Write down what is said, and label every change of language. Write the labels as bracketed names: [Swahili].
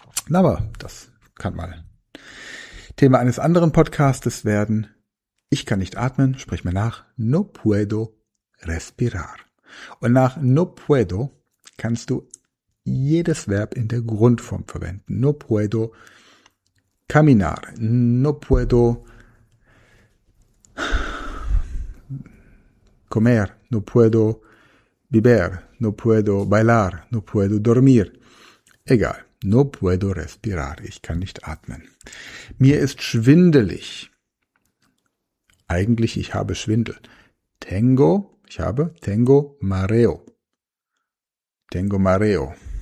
[German] Aber das kann mal Thema eines anderen Podcastes werden. Ich kann nicht atmen, sprich mir nach, [Spanish] no puedo respirar. [German] Und nach [Spanish] no puedo [German] kannst du jedes Verb in der Grundform verwenden. [Spanish] No puedo caminar, no puedo comer, no puedo beber, no puedo bailar, no puedo dormir. [German] Egal, [Spanish] no puedo respirar, [German] ich kann nicht atmen. Mir ist schwindelig. Eigentlich, ich habe Schwindel. [Spanish] Tengo mareo. Tengo mareo.